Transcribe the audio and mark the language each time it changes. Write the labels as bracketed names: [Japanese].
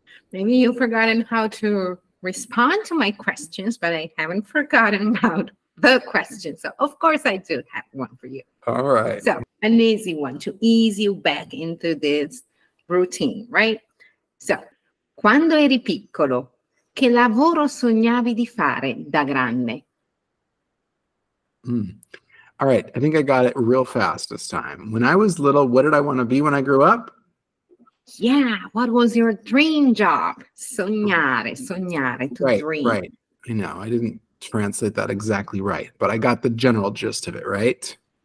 [English] Maybe you've forgotten how to respond to my questions, but I haven't forgotten about the question. So of course I do have one for you. All right. So an easy one to ease you back into this routine, right? [Italian] So, quando eri piccolo, che lavoro sognavi di fare da grande? [English] All right. I think I got it real fast this time. When I was little, what did I want to be when I grew up? Yeah, what was your dream job? [Italian] Sognare, sognare, [English] to right, dream. Right, I know, I didn't translate that exactly right, but I got the general gist of it, right?